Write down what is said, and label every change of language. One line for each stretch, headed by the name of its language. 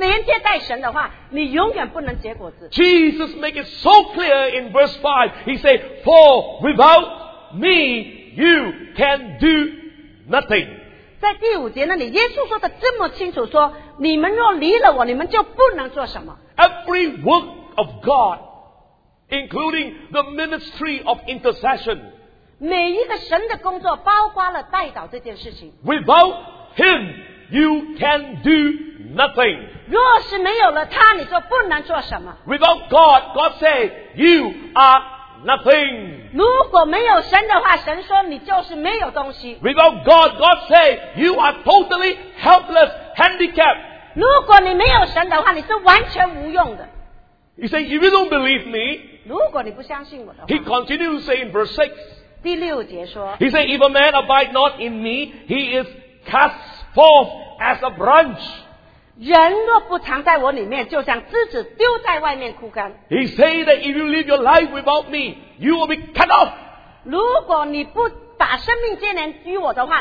Chinese: 倘若你的代祷是没有连接在神的话，你永远不能结果子。
English: Jesus make it so clear in verse 5. He said, for without me, you can do nothing.
Chinese: 在第五节那里，耶稣说的这么清楚，说你们若离了我，你们就不能做什么。
English: Every work of God, including the ministry of intercession,
Chinese: 每一个神的工作，包括了代祷这件事情。
English: Without Him, you can do nothing.
Chinese: 若是没有了他, 你就不能做什么。
English: Without God, God says, you are nothing.
Chinese: 如果没有神的话, 神说你就是没有东西。
English: Without God, God says, you are totally helpless, handicapped.
Chinese: 如果你没有神的话, 你是完全无用的。
English: He says, if you don't believe me,
Chinese: 如果你不相信我的话,
English: He continues to say in verse 6,
Chinese: 第六节说,
English: He says, if a man abide not in me, he is cast forth as a branch.
Chinese: 人若不藏在我里面,
English: he said that if you live your life without me, you will be cut off.
Chinese: 如果你不把生命接连于我的话,